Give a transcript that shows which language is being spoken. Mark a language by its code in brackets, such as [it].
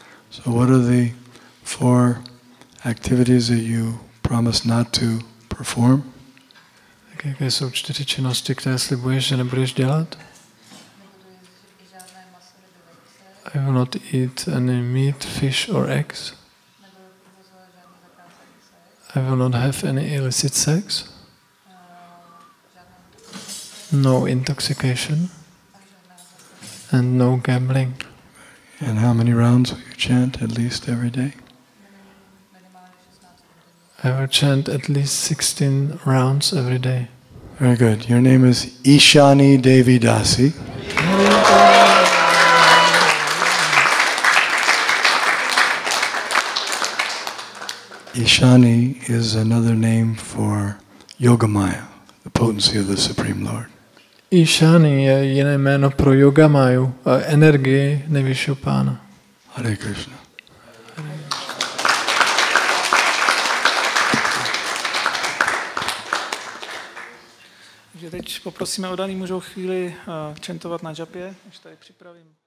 [en] So what are the four activities that you promise not to perform? [cs] Jaké jsou čtyři činnosti, které slibuješ, že nebudeš dělat? [en] I will not eat any meat, fish or eggs. I will not have any illicit sex. No intoxication. And no gambling. And how many rounds will you chant at least every day? I will chant at least 16 rounds every day. Very good. Your name is Ishani Devi Dasi. Ishani is another name for Yogamaya, the potency of the Supreme Lord. [cs] Ishani je jiné jméno pro Yogamayu, energie nejvyššího pána. [sa] Hare Krishna. [cs] Teď poprosíme o daný, můžou chvíli chantovat na džapě, až tady připravím.